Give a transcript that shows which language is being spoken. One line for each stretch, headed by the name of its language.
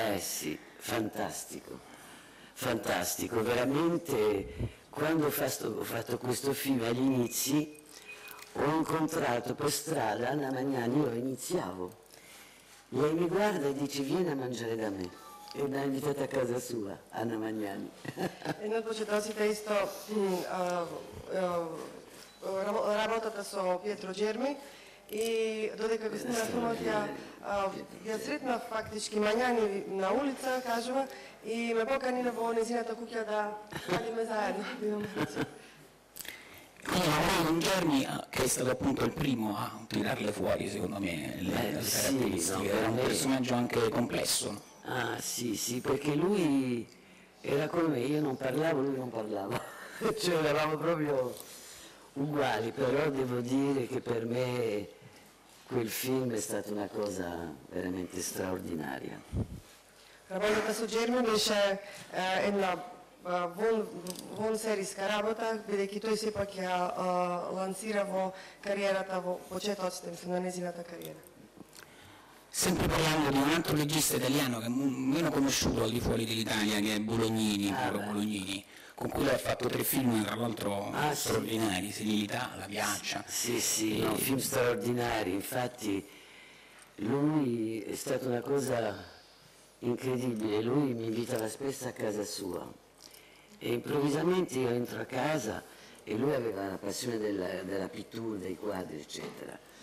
Italian: Sì, fantastico, fantastico, veramente quando ho fatto questo film agli inizi ho incontrato per strada Anna Magnani, io iniziavo, lei mi guarda e dice vieni a mangiare da me. E l'ha invitata a casa sua, Anna Magnani. E non c'è tanto
Macedonian: sita isto работата со Pietro Germi и додека го снима филмот ја сретна фактички Магнани на улица, кажува, и ме покани во нејзината куќа да ходиме заедно.
Italian: Quindi lavorare con Germi, che è stato appunto il primo a tirarle fuori, secondo me, le caratteristiche, era un personaggio anche complesso. Ah sì, sì, perché lui era come me, io non parlavo, lui non parlava, cioè eravamo proprio uguali, però devo dire che per me quel film è stata una cosa veramente straordinaria.
Macedonian: Работата со Germi беше една вон серијска работа, бидејќи тој сепак ја лансира во кариерата, во почетоците, мислам, на незината кариера.
Italian: Sempre parlando di un altro regista italiano che è meno conosciuto al di fuori dell'Italia, che è Bolognini, Bolognini, con cui ha fatto 3 film, tra l'altro straordinari, Senilità, La Piaccia. Sì, no, film straordinari, infatti lui è stata una cosa incredibile, lui mi invitava spesso a casa sua e improvvisamente io entro a casa e lui aveva la passione della pittura, dei quadri, eccetera.